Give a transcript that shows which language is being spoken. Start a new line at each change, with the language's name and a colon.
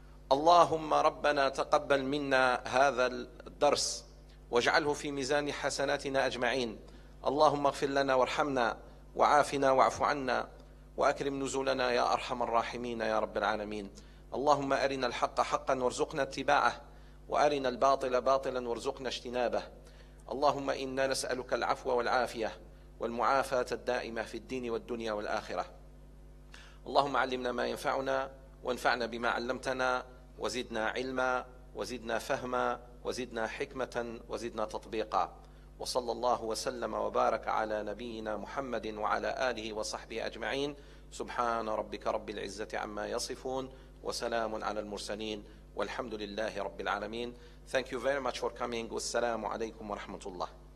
Arabic: Allahumma rabbana taqabbal minna hadha al-dars waj'alhu fi mizani hasanatina ajma'in. Allahumma ighfir lana warhamna wa'afina wa'fu anna wa'akrim nuzulana ya arhamar rahimin ya rabbil alamin. Allahumma arina al-haqqa haqqan warzuqna tiba'ah وأرنا الباطل باطلا وارزقنا اجتنابه. اللهم إنا نسألك العفو والعافية والمعافاة الدائمة في الدين والدنيا والآخرة. اللهم علمنا ما ينفعنا وانفعنا بما علمتنا وزدنا علما وزدنا فهما وزدنا حكمة وزدنا تطبيقا. وصلى الله وسلم وبارك على نبينا محمد وعلى آله وصحبه أجمعين. سبحان ربك رب العزة عما يصفون وسلام على المرسلين. Walhamdulillahi Rabbil Alameen.
English: Thank you very much for coming.
Arabic: Wassalamu alaikum wa rahmatullah.